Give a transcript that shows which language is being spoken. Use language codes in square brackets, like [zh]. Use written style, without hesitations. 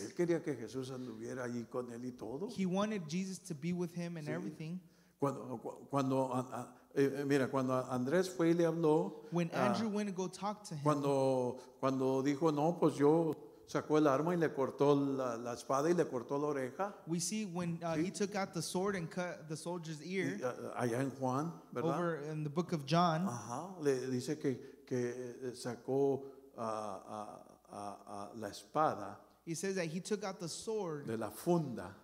[es] Él quería que Jesús anduviera allí con él y todo. [en] He wanted Jesus to be with him and sí. everything. [es] Cuando mira, cuando Andrés fue y le habló, [en] when Andrew went to go talk to him, [es] cuando dijo no, pues yo sacó el arma y le cortó la espada y le cortó la oreja. [en] We see when sí. he took out the sword and cut the soldier's ear. [es] Y, allá en Juan, ¿verdad? [en] Over in the book of John. [es] Ajá, le dice que sacó la espada. [en] He says that he took out the sword [es] de la funda